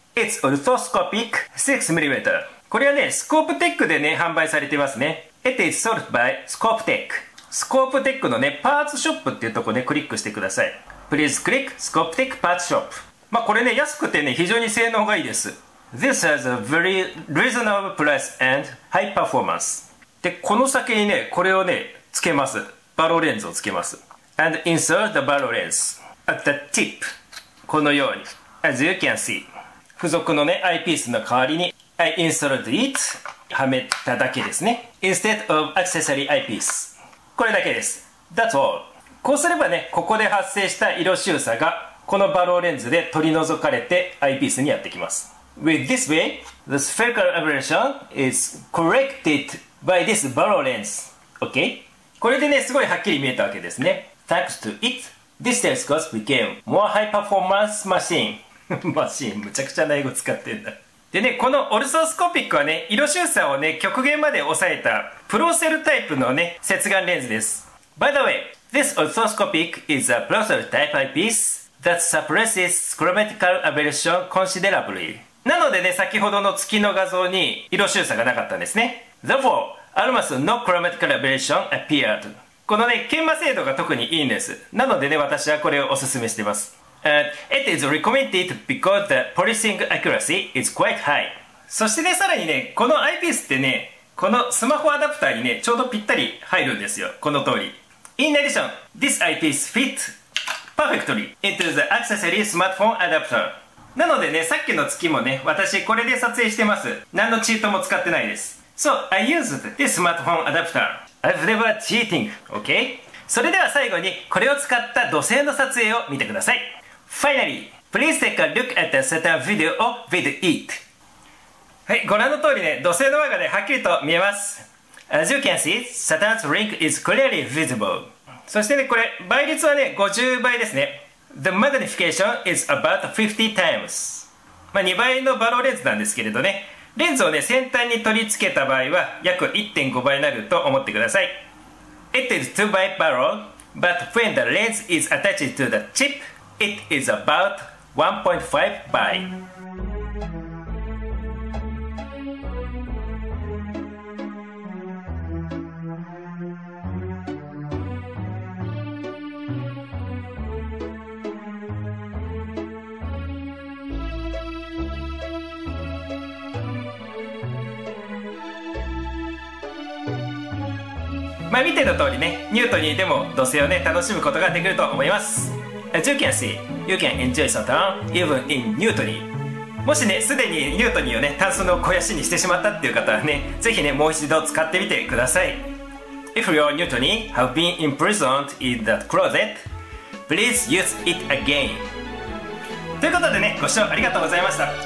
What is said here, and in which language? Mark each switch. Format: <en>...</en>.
<en>It's orthoscopic 6mm.</en> <ja>これはね、スコープテックでね、販売されていますね。</ja> <en>It is sold by Scopetech.</en> <ja>スコープテックのね、パーツショップっていうとこね、クリックしてください。</ja> <en>Please click Scopetech Parts Shop.</en> <ja>まあこれね、安くてね、非常に性能がいいです。</ja> <en>This has a very reasonable price and high performance.</en> <ja>で、この先にね、これをね、つけます。バローレンズをつけます。</ja> <en>And insert the barrel lens at the tip.</en> <ja>このように。</ja> <en>As you can see.</en> <ja>付属のね、アイピースの代わりに、</ja> <en>I installed it,</en> <ja>はめただけですね。</ja> <en>Instead of accessory eyepiece.</en> <ja>これだけです。</ja> <en>That's all.</en> <ja>こうすればね、ここで発生した色周差が、このバローレンズで取り除かれて、アイピースにやってきます。</ja> <en>With this way, the spherical aberration is corrected by this barrel lens.Okay?</en> <ja>これでね、すごいはっきり見えたわけですね。</ja> <en>Thanks to it, this telescope became more high performance machine.</en> <ja>マシン、むちゃくちゃな英語使ってんだ。でね、このオルソスコピックはね、色周差をね、極限まで抑えた、プロセルタイプのね、接眼レンズです。</ja> <en>By the way, this orthoscopic is a prosel type eyepiece that suppresses chromatical aberration considerably.</en> <ja>なのでね、先ほどの月の画像に色周差がなかったんですね。</ja> <en>Therefore, almost no chromatical aberration appeared.</en> <ja>このね、研磨精度が特にいいんです。なのでね、私はこれをおすすめしてます。</ja> <en>It is recommended because the polishing accuracy is quite high.</en> <ja>そしてね、さらにね、このアイピースってね、このスマホアダプターにね、ちょうどぴったり入るんですよ。この通り。</ja> <en>In addition, this eyepiece fits perfectly into the accessory smartphone adapter.</en> <ja>なのでね、さっきの月もね、私これで撮影してます。何のチートも使ってないです。</ja> <en>So, I used this smartphone adapter. I've never cheating, okay?</en> <ja>それでは最後に、これを使った土星の撮影を見てください。</ja> <en>Finally, please take a look at a certain video of with it.</en> <ja>はい、ご覧の通りね、土星の輪がね、はっきりと見えます。</ja> <en>As you can see, Saturn's ring is clearly visible.</en> <ja>そしてね、これ、倍率はね、50倍ですね。</ja> <en>The magnification is about 50 times.</en> <ja>まあ、2倍のバローレンズなんですけれどね、レンズをね、先端に取り付けた場合は、約 1.5 倍になると思ってください。</ja> <en>It is 2 by barrel, but when the lens is attached to the chip,It is about 1.5 倍。</en> <ja>まあ見ての通りね、ニュートニーでも土星をね、楽しむことができると思います。</ja> <en>As you can see, you can enjoy Saturn even in Newtony.</en> <ja>もしね、すでに Newtony をね、炭素の肥やしにしてしまったっていう方はね、ぜひね、もう一度使ってみてください。</ja> <en>If your Newtony have been imprisoned in that closet, please use it again.</en> <ja>ということでね、ご視聴ありがとうございました。</ja>